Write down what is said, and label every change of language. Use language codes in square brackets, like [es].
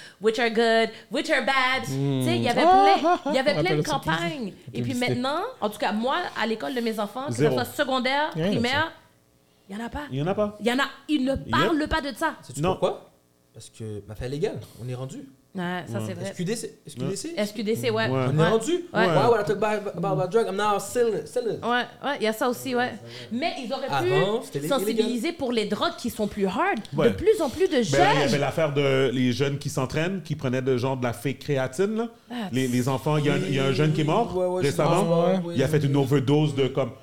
[en] Which are good, which are bad. [fr] Tu sais, il y avait plein de campagnes. Et puis maintenant, en tout cas, moi, à l'école de mes enfants, que ce soit secondaire, primaire, il n'y en a pas. Il n'y en a pas. Il y en a, ils ne parlent pas de ça. Sais-tu pourquoi? Parce que ma fille est légale, on est rendu. Ouais, ça c'est vrai. SQDC, ouais. [en] Why would I talk about drug? I'm now selling it. [fr] Ouais, ouais, il y a ça aussi, ouais. Mais ils auraient pu sensibiliser pour les drogues qui sont plus hard. Ouais. De plus en plus de jeunes. Il y avait l'affaire de les jeunes qui s'entraînent, qui prenaient de genre de la fake créatine, là. Les enfants, il y a un jeune qui est mort récemment. Il a fait une overdose de comme.